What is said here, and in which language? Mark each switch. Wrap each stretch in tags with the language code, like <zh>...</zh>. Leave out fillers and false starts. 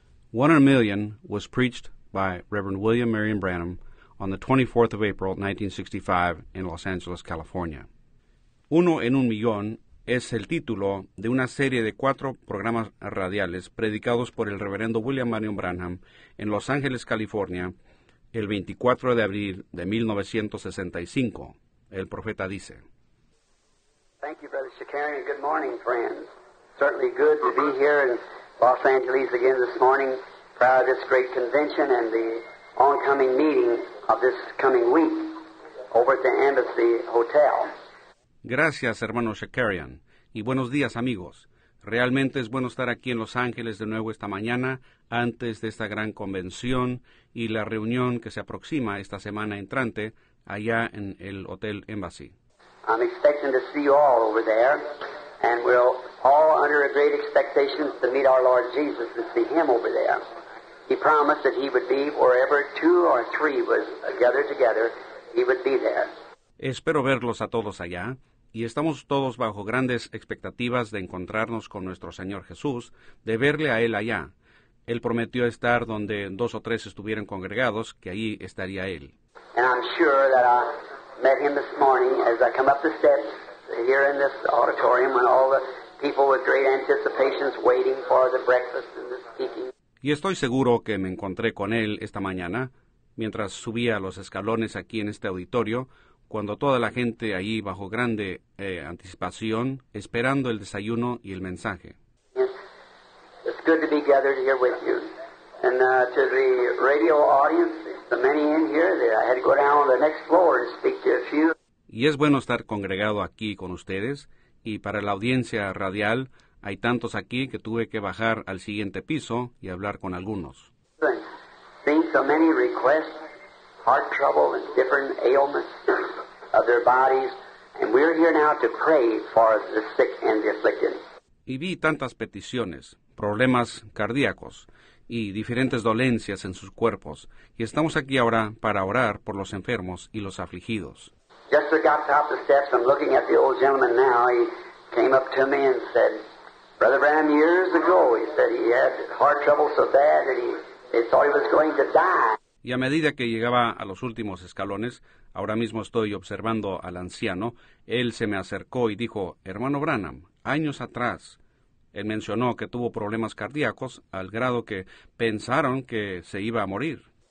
<en>One in a Million was preached by Reverend William Marion Branham on the 24th of April, 1965, in Los Angeles, California.</en> <es>Uno en un Millón es el título de una serie de cuatro programas radiales predicados por el Reverendo William Marion Branham en Los Ángeles, California, el 24 de abril de 1965. El profeta dice:</es> <en>Thank you, Brother Shakarian, and good morning, friends. Certainly good to be here in Los Angeles again this morning, proud of this great convention and the oncoming meeting of this coming week over at the Embassy Hotel.</en> <es>Gracias, hermano Shakarian, y buenos días, amigos. Realmente es bueno estar aquí en Los Ángeles de nuevo esta mañana, antes de esta gran convención y la reunión que se aproxima esta semana entrante allá en el Hotel Embassy.</es> <en>I'm expecting to see you all over there, and we're all under a great expectation to meet our Lord Jesus and see Him over there. He promised that He would be wherever two or three was gathered together, He would be there.</en> <es>Espero verlos a todos allá, y estamos todos bajo grandes expectativas de encontrarnos con nuestro Señor Jesús, de verle a Él allá. Él prometió estar donde dos o tres estuvieran congregados, que ahí estaría Él.</es> <en>And I'm sure that I met Him this morning as I come up the steps here in this auditorium when all the people with great anticipations waiting for the breakfast and the speaking.</en> <es>Y estoy seguro que me encontré con Él esta mañana, mientras subía los escalones aquí en este auditorio, cuando toda la gente ahí bajo grande anticipación, esperando el desayuno y el mensaje.</es> <en>It's good to be gathered here with you. And to the radio audience, the many in here, that I had to go down on the next floor and speak to a few.</en> <es>Y es bueno estar congregado aquí con ustedes, y para la audiencia radial, hay tantos aquí que tuve que bajar al siguiente piso y hablar con algunos.</es> <en>And seeing so many requests, heart trouble and different ailments of their bodies, and we're here now to pray for the sick and the afflicted.</en> <es>Y vi tantas peticiones, problemas cardíacos y diferentes dolencias en sus cuerpos, y estamos aquí ahora para orar por los enfermos y los afligidos.</es> <en>Just as I got off the steps, I'm looking at the old gentleman now. He came up to me and said, Brother Branham, years ago, he said he had heart trouble so bad that he thought he was going to die.</en> <es>Y a medida que llegaba a los últimos escalones, ahora mismo estoy observando al anciano, él se me acercó y dijo, hermano Branham, años atrás, él mencionó que tuvo problemas cardíacos al grado que pensaron que se iba a morir.</es>